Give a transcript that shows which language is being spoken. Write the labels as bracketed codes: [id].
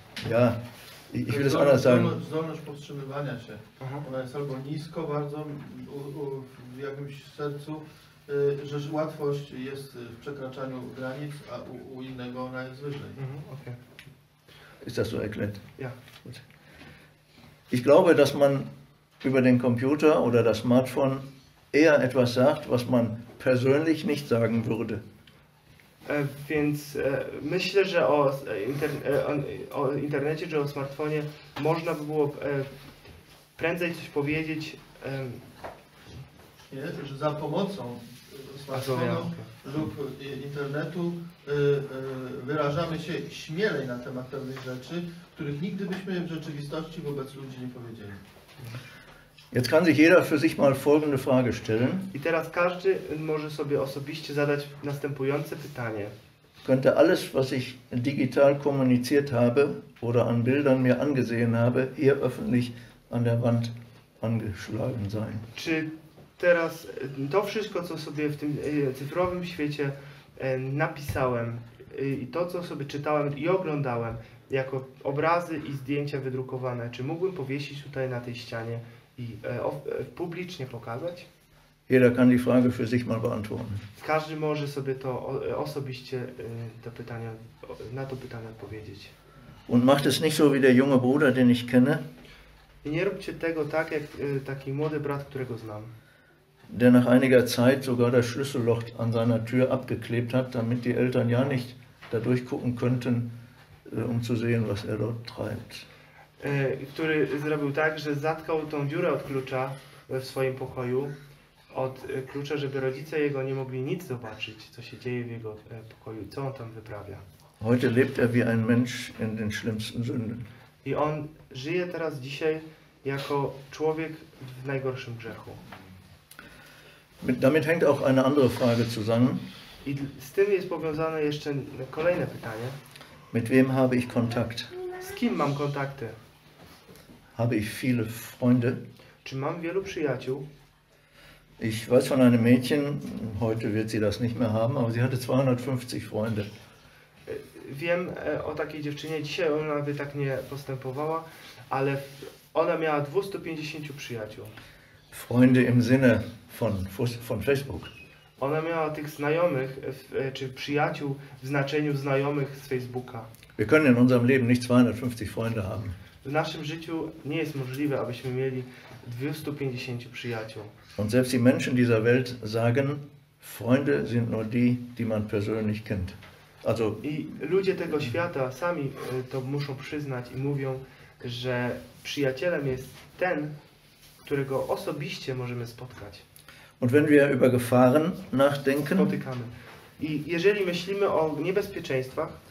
[de] Ja, ich will es anders sagen. [pl] Zdolność powstrzymywania się. Ona jest albo nisko bardzo, w jakimś sercu, że łatwość jest w przekraczaniu granic, a u innego ona jest wyżej. Okay. [de] Ist das so erklärt? Ja. Ich glaube, dass man über den Computer oder das Smartphone eher etwas sagt, was man persönlich nicht sagen würde. [pl] Więc myślę, że o internecie czy o smartfonie można by było prędzej coś powiedzieć. Nie, że za pomocą smartfonu lub internetu wyrażamy się śmielej na temat pewnych rzeczy, których nigdy byśmy w rzeczywistości wobec ludzi nie powiedzieli. [de] Jetzt kann sich jeder für sich mal folgende Frage stellen. [pl] I teraz każdy może sobie osobiście zadać następujące pytanie. [de] Könnte alles, was ich digital kommuniziert habe oder an Bildern mir angesehen habe, hier öffentlich an der Wand angeschlagen sein? [pl] Czy teraz to wszystko, co sobie w tym cyfrowym świecie napisałem i to, co sobie czytałem i oglądałem jako obrazy i zdjęcia wydrukowane, czy mógłbym powiesić tutaj na tej ścianie i publicznie pokazać? [de] Jeder kann die Frage für sich mal beantworten. [pl] Każdy może sobie to osobiście to pytanie, na to pytanie odpowiedzieć. [de] Und macht es nicht so wie der junge Bruder, den ich kenne. [pl] I nie róbcie tego tak jak taki młody brat, którego znam. [de] Der nach einiger Zeit sogar das Schlüsselloch an seiner Tür abgeklebt hat, damit die Eltern ja nicht da durchgucken könnten, um zu sehen, was er dort treibt. [pl] Który zrobił tak, że zatkał tą dziurę od klucza w swoim pokoju, od klucza, żeby rodzice jego nie mogli nic zobaczyć, co się dzieje w jego pokoju, co on tam wyprawia. [de] Heute lebt er wie ein Mensch in den schlimmsten Sünden. [pl] I on żyje teraz dzisiaj jako człowiek w najgorszym grzechu. [de] Damit hängt auch eine andere Frage zusammen. [pl] I z tym jest powiązane jeszcze kolejne pytanie. [de] Mit wem habe ich Kontakt? [pl] Z kim mam kontakty? [de] Habe ich viele Freunde? [pl] Czy mam wielu przyjaciół? [de] Ich weiß von einem Mädchen, heute wird sie das nicht mehr haben, aber sie hatte 250 Freunde. [pl] Wiem o takiej dziewczynie, dzisiaj ona by tak nie postępowała, ale ona miała 250 przyjaciół. [de] Freunde im Sinne von Facebook. [pl] Ona miała tych znajomych, czy przyjaciół w znaczeniu znajomych z Facebooka. [de] Wir können in unserem Leben nicht 250 Freunde haben. [pl] W naszym życiu nie jest możliwe, abyśmy mieli 250 przyjaciół. [de] Und selbst die Menschen dieser Welt sagen, Freunde sind nur die, die man persönlich kennt. [pl] Also i ludzie tego świata sami to muszą przyznać i mówią, że przyjacielem jest ten, którego osobiście możemy spotkać. [de] Und wenn wir über Gefahren nachdenken, [pl] spotykamy. I jeżeli myślimy o niebezpieczeństwach,